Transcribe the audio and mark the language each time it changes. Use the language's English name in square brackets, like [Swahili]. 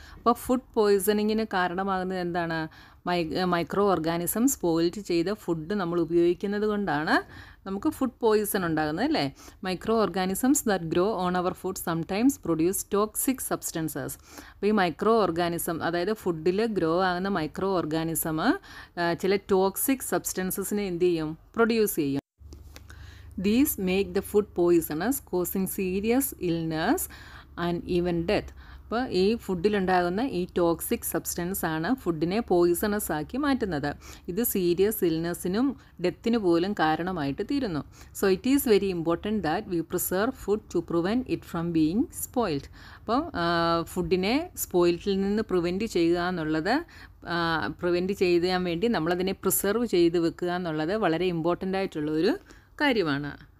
[Malayalam] അപ്പോൾ ഫുഡ് പോയിസണിങ്ങിന് കാരണമാകുന്നത് എന്താണ്? മൈക്രോ ഓർഗാനിസം സ്പോയിൽഡ് ചെയ്ത ഫുഡ് നമ്മൾ ഉപയോഗിക്കുന്നത് കൊണ്ടാണ് നമുക്ക് ഫുഡ് പോയിസൺ ഉണ്ടാകുന്നത് അല്ലേ. [English] Microorganisms that grow on our food sometimes produce toxic substances. [Malayalam] അപ്പോൾ ഈ മൈക്രോ ഓർഗാനിസം, അതായത് ഫുഡിൽ ഗ്രോ ആകുന്ന മൈക്രോ ഓർഗാനിസം ചില ടോക്സിക് സബ്സ്റ്റൻസസിനെ എന്ത് ചെയ്യും? പ്രൊഡ്യൂസ് ചെയ്യും. [English] These make the food poisonous, causing serious illness and even death. [Malayalam] അപ്പോൾ ഈ ഫുഡിലുണ്ടാകുന്ന ഈ ടോക്സിക് സബ്സ്റ്റൻസ് ആണ് ഫുഡിനെ പോയിസണസ് ആക്കി മാറ്റുന്നത്. ഇത് സീരിയസ് ഇൽനെസ്സിനും ഡെത്തിന് പോലും കാരണമായിട്ട് തീരുന്നു. [English] So it is very important that we preserve food to prevent it from being spoiled. [Malayalam] അപ്പം ഫുഡിനെ സ്പോയിൽഡിൽ നിന്ന് പ്രിവെൻറ്റ് ചെയ്യുക എന്നുള്ളത്, പ്രിവെൻറ്റ് ചെയ്യാൻ വേണ്ടി നമ്മളതിനെ പ്രിസർവ് ചെയ്ത് വെക്കുക എന്നുള്ളത് വളരെ ഇമ്പോർട്ടൻ്റ് ആയിട്ടുള്ള ഒരു കാര്യമാണ്.